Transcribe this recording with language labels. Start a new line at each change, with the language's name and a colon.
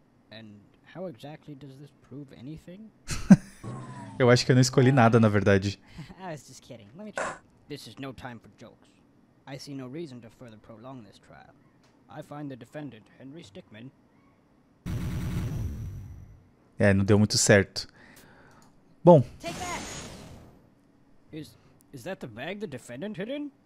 English: And how exactly does this prove anything?
Portuguese: Eu acho que eu não escolhi nada, na verdade.
English: I was just kidding. Let me try. This is no time for jokes. I see no reason to further prolong this trial. I find the defendant, Henry Stickman.
Portuguese: É, não deu muito certo. Bom.
English: Take that. Is that the bag the defendant hid in?